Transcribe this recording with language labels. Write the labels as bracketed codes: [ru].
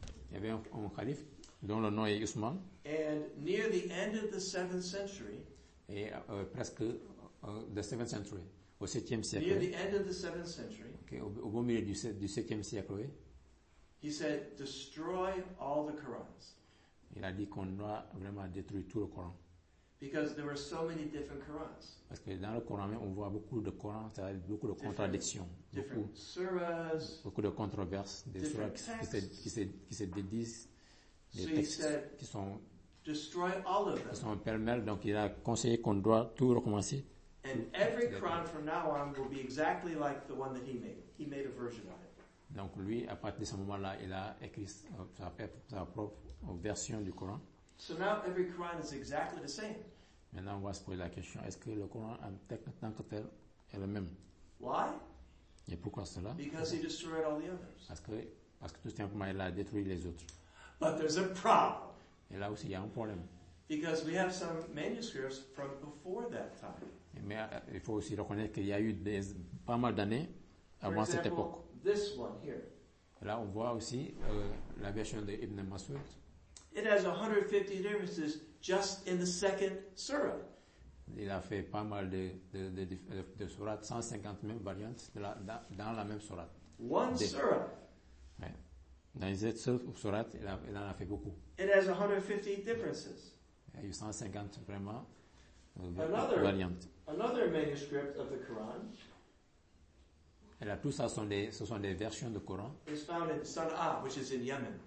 [fr] Il y avait un calife dont le nom est Uthman. [en] And near the end of the 7th century, [fr] et presque [en] the 7th century, [fr] au 7e siècle. [en] Near the end of the 7th century, [fr] okay, au beau milieu du 7e siècle, oui. [en] He said, "Destroy all the Qurans." [fr] Il a dit qu'on doit vraiment détruire tout le Coran. [en] Because there were so many different Qurans. [fr] Parce que dans le Coran même, on voit beaucoup de Corans, c'est-à-dire beaucoup de [en] different, [fr] contradictions, beaucoup, [en] surahs, [fr] beaucoup de controverses, des surahs qui se dédisent, des [en] so [fr] textes [en] said, [fr] qui sont [en] destroy all of them. [fr] Qui sont pêle-mêle. Donc il a conseillé qu'on doit tout recommencer. [en] And every Quran from now on will be exactly like the one that he made. He made a version of it. [fr] Donc lui, à partir de ce moment-là, il a écrit sa propre version du Coran. [en] So now every Quran is exactly the same. [fr] Maintenant, on va se poser la question, est-ce que le Coran en tant que tel est le même? [en] Why? [fr] Et pourquoi cela? [en] Because he destroyed all the others. [fr] Parce que tout simplement, il a détruit les autres. [en] But there's a problem. [fr] Et là aussi, il y a un problème. [en] Because we have some manuscripts from before that time. [fr] Mais il faut aussi reconnaître qu'il y a eu pas mal d'années avant [en] example, [fr] cette époque. [en] This one here. [fr] Et là, on voit aussi la version de Ibn Mas'ud. [en] It has 150 differences just in the second surah. [fr] Il a fait pas mal de surat, 150 même variantes dans la même surat. [en] One [fr] de. [en] Surah. [fr] Ouais. Dans cette seule surat, il en a fait beaucoup. [en] It has 150 differences. [fr] Il y a eu 150 vraiment. [en] Another manuscript of the Quran. [fr] Et là, tout ça, ce sont des versions du Coran. [en] It's found in Sana'a, which is in Yemen.